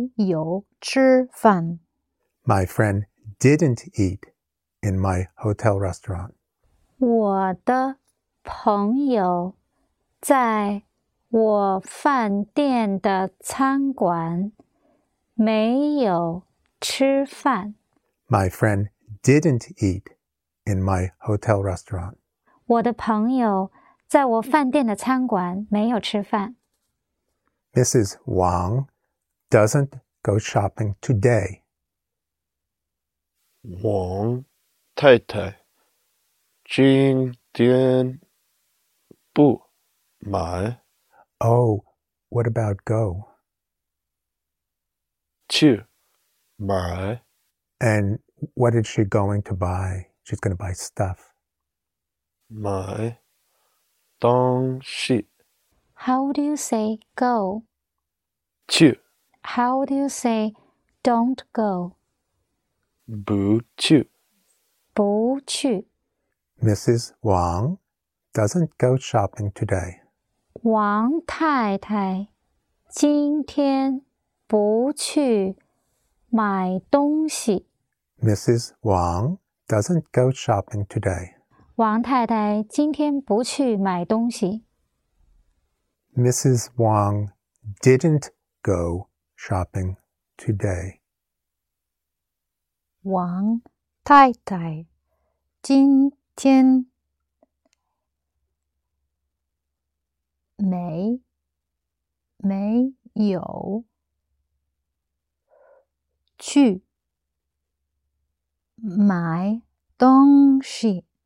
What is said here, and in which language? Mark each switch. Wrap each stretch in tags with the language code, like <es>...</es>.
<zh>我的朋友在我饭店的餐馆没有吃饭.</zh> <en>My friend didn't eat in my hotel restaurant.</en> <zh>我的朋友在 我饭店的餐馆没有吃饭. 我的朋友在我饭店的餐馆没有吃饭.</zh> <en>Mrs. Wang doesn't go shopping today.</en> <zh>Wang 太太今天不买.</zh> <en>Oh, what about go?</en> <zh>去买.</zh> <en>And what is she going to buy? She's going to buy stuff.</en> <zh>my 东西.</zh> <en>How do you say go?</en> <zh>去.</zh> <en>How do you say don't go?</en> <zh>不去. 不去.</zh> <en>Mrs. Wang doesn't go shopping today.</en> <zh>王太太今天不去买东西。</zh> <en>Mrs. Wang doesn't go shopping today.</en> <zh>王太太今天不去买东西。</zh> <en>Mrs. Wang didn't go shopping today.</en> <zh>王太太今天没有去买东西。</zh>